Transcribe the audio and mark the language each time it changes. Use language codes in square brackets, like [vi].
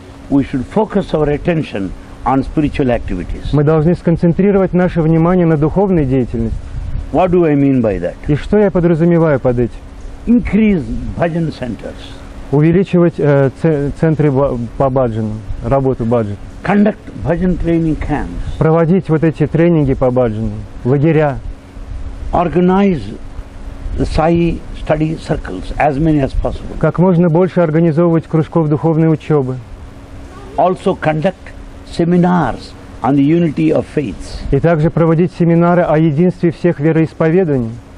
[en] we should focus our attention on spiritual activities. [ru] Мы должны сконцентрировать наше внимание на духовной деятельности. [en] What do I mean by that? [ru] И что я подразумеваю под этим? [en] Increase bhajan centers. [ru] Увеличивать центры по баджану, работу баджан. [en] Conduct bhajan training camps. [ru] Проводить вот эти тренинги по баджану, лагеря. [en] Organize the Sai study circles as many as possible. [ru] Как можно больше организовывать кружков духовной учебы. [en] Also conduct seminars on the unity of faiths. [ru] И также проводить семинары о единстве всех вероисповеданий.